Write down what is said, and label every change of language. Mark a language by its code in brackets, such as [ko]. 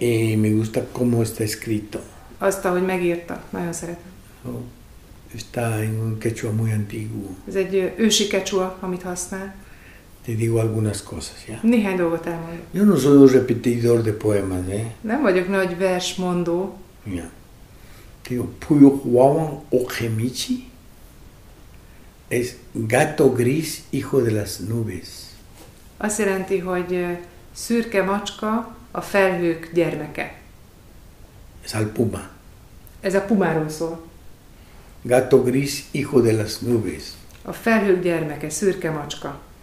[es] Y me gusta cómo está escrito. [hu] Azt, ahogy megírta. Nagyon szeretem. [es] Está en un quechua muy antiguo. [hu] Ez egy ősi quechua, amit használ. [es] Te digo algunas cosas, ya. [hu] Néhány dolgot elmondok. [es] Yo no soy un repetidor de poemas, eh. [hu] Nem vagyok nagy versmondó. [es] Ja. Te digo, [qu] puyo huawan ojemichi. [es] Es gato gris, hijo de las nubes. [hu] Azt jelenti, hogy szürke macska, a felhők gyermeke. [es] Es al puma. [hu] Ez a pumáról szól. [es] Gato gris, hijo de las nubes. [hu] A felhők gyermeke, szürke macska.